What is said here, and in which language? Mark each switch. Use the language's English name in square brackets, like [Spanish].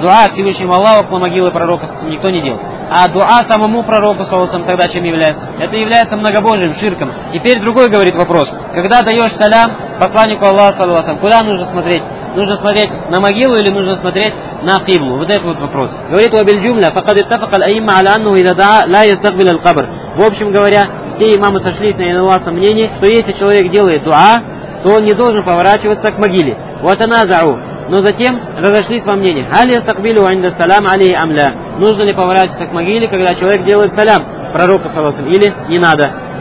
[Russian] Дуа Всевышнему Аллаху около могилы пророка никто не делал. А дуа самому пророку Саусам тогда чем является? Это является многобожьим, ширком. Теперь другой говорит вопрос. Когда даешь салям посланнику Аллаха, саллаллаху, куда нужно смотреть? Нужно смотреть на могилу или нужно смотреть на киблу? Вот этот вот вопрос. Говорит [Arabic] Уабильджумля, فَقَدْ اتَّفَقَ الْأَيْمَّ عَلَى أَنُّهُ إِذَا دَعَى لَا يَسْتَقْبِلَ الْقَبْرِ. [Russian] В общем говоря, все имамы сошлись на единогласном мнении, что если человек делает дуа, то он не должен поворачиваться к могиле. Вот она зау. Но затем разошлись во мнении. [Arabic] هَلْ يَسْتَقْبِلُ عَنْدَ السَّلَامَ عَلَيْهِ أَمْ لَا. [Russian] Нужно ли поворачиваться к могиле, когда человек делает салям пророку саллаллаху алейхи ва саллям, или не надо?